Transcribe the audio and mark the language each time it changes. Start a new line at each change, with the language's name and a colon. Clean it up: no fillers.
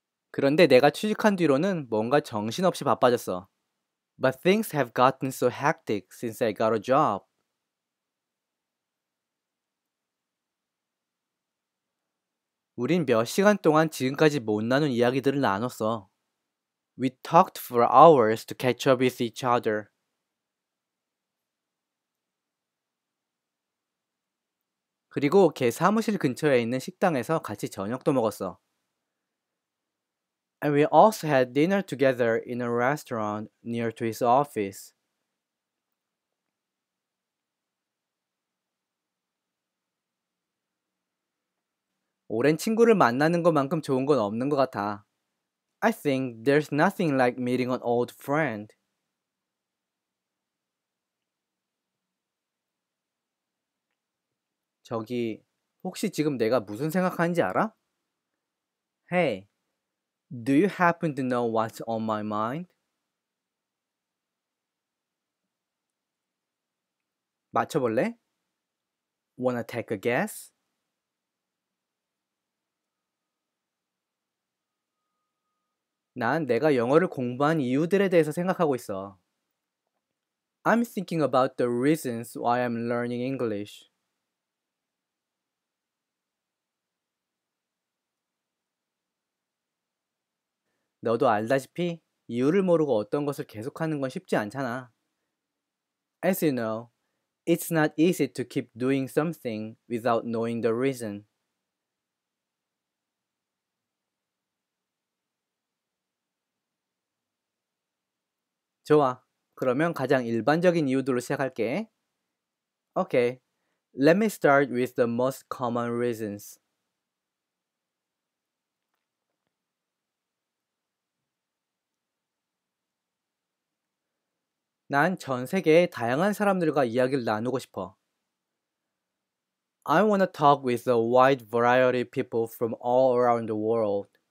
Korean: 그런데 내가 취직한 뒤로는 뭔가 정신없이 바빠졌어.
English: But things have gotten so hectic since I got a job.
Korean: 우린 몇 시간 동안 지금까지 못 나눈 이야기들을 나눴어.
English: We talked for hours to catch up with each other.
Korean: 그리고 걔 사무실 근처에 있는 식당에서 같이 저녁도 먹었어.
English: And we also had dinner together in a restaurant near to his office.
Korean: 오랜 친구를 만나는 것만큼 좋은 건 없는 것 같아.
English: I think there's nothing like meeting an old friend.
Korean: 저기, 혹시 지금 내가 무슨 생각하는지 알아?
English: Hey, do you happen to know what's on my mind?
Korean: 맞춰볼래?
English: Wanna take a guess?
Korean: 난 내가 영어를 공부한 이유들에 대해서 생각하고 있어.
English: I'm thinking about the reasons why I'm learning English. As you know, it's not easy to keep doing something without knowing the reason.
Korean: 좋아. 그러면 가장 일반적인 이유들로 시작할게.
English: Okay, let me start with the most common reasons.
Korean: 난 전 세계의 다양한 사람들과 이야기를 나누고 싶어.
English: I want to talk with a wide variety of people from all around the world.